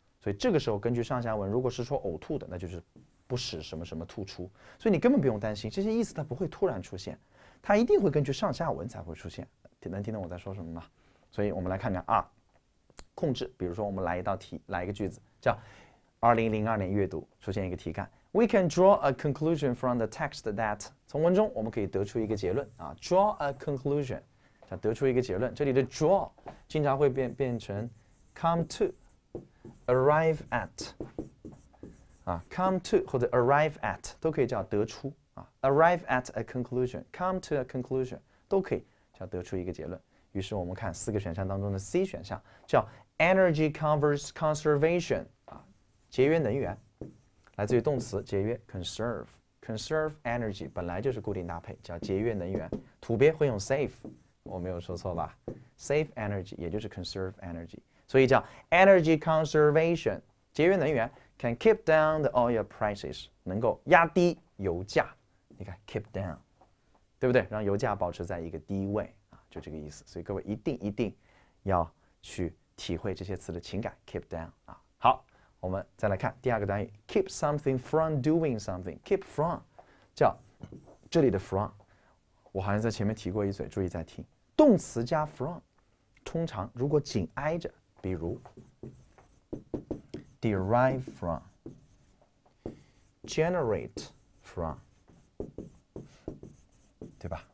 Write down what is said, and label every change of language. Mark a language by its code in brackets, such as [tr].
[zh] 所以这个时候根据上下文，如果是说呕吐的，那就是不使什么什么吐出。所以你根本不用担心，这些意思它不会突然出现，它一定会根据上下文才会出现。能听懂我在说什么吗？所以我们来看看啊，控制，比如说我们来一道题，来一个句子，叫2002年阅读，出现一个题干。 [en] We can draw a conclusion from the text that [zh] 从文中我们可以得出一个结论啊， [en] draw a conclusion， [zh] 想得出一个结论。这里的 draw 经常会变成 [en] come to， arrive at， [zh] 啊，come to 或者 arrive at 都可以叫得出啊， [en] arrive at a conclusion， come to a conclusion [zh] 都可以叫得出一个结论。于是我们看四个选项当中的 C 选项叫 [en] energy conservation [zh] 啊，节约能源。来自于动词节约 [en] conserve energy [zh] 本来就是固定搭配，叫节约能源。土鳖会用 save，我没有说错吧？ [en] save energy [zh] 也就是 conserve energy，所以叫 [en] energy conservation [zh] 节约能源。 [en] can keep down the oil prices [zh] 能够压低油价。你看 [en] keep down， [zh] 对不对？让油价保持在一个低位啊，就这个意思。所以各位一定一定要去体会这些词的情感， [en] keep down [zh] 啊。我们再来看第二个单语， [en] keep something from doing something， [zh] keep from 叫这里的 from，我好像在前面提过一嘴，注意再听，动词加 from，通常如果紧挨着，比如 [en] derive from， generate from， [zh] 对吧？